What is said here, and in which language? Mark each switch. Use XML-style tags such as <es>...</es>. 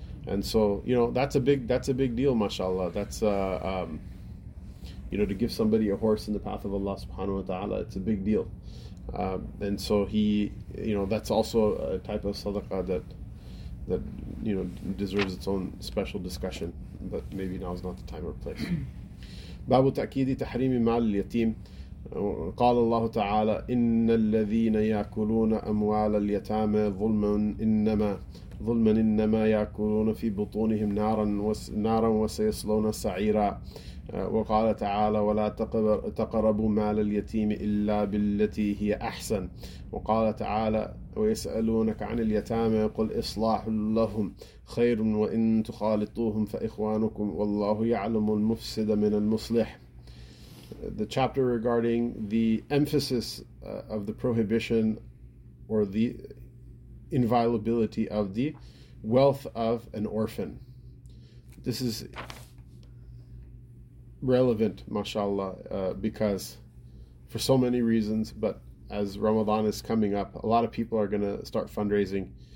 <en>And so, you know, that's a big deal, mashallah. That's, you know, to give somebody a horse in the path of Allah subhanahu wa ta'ala, it's a big deal. And so he, you know, that's also a type of sadaqah that, you know, deserves its own special discussion. But maybe now is not the time or place.</en> <ar>Babu ta'kidi tahrimi ma'al al-yateem. قال الله تعالى إن الذين يأكلون أموال اليتامى ظلما إنما يأكلون في بطونهم نارا وسيصلون سعيرا وقال تعالى ولا تقربوا مال اليتيم إلا بالتي هي أحسن وقال تعالى ويسألونك عن اليتامى قل إصلاح لهم خير وإن تخالطوهم فإخوانكم والله يعلم المفسد من المصلح.</ar> <en>The chapter regarding the emphasis of the prohibition or the inviolability of the wealth of an orphan. This is relevant, mashallah, because for so many reasons, but as Ramadan is coming up, a lot of people are going to start fundraising.</en>